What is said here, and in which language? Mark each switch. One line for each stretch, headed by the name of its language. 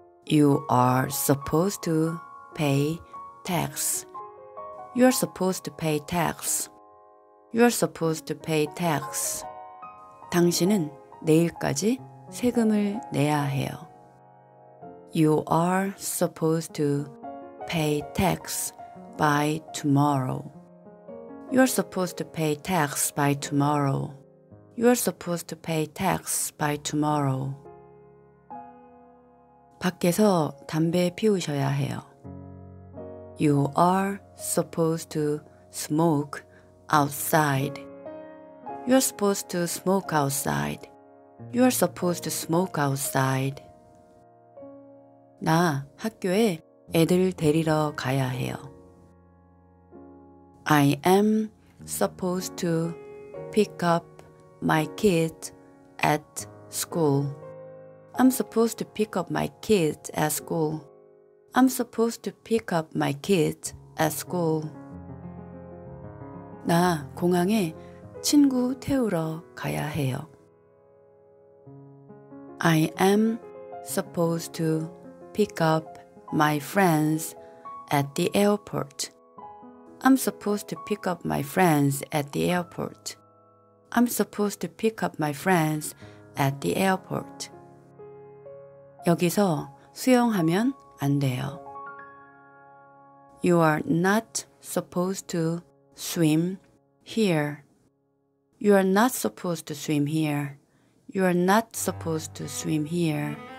English: You are supposed to pay tax. You are supposed to pay tax. You are supposed to pay tax.
Korean: 당신은 내일까지 세금을 내야 해요.
English: You are supposed to pay tax by tomorrow. You are supposed to pay tax by tomorrow. You are supposed to pay tax by tomorrow.
Korean: 밖에서 담배 피우셔야 해요.
English: You are supposed to smoke outside. You are supposed to smoke outside. You are supposed to smoke outside.
Korean: 나 학교에 애들 데리러 가야 해요.
English: I am supposed to pick up my kid at school. I'm supposed to pick up my kid at school. I'm supposed to pick up my kid at school.
Korean: 나 공항에 친구 태우러 가야 해요.
English: I am supposed to pick up my friends at the airport. I'm supposed to pick up my friends at the airport. I'm supposed to pick up my friends at the airport.
Korean: 여기서 수영하면 안 돼요.
English: You are not supposed to swim here. You are not supposed to swim here. You are not supposed to swim here.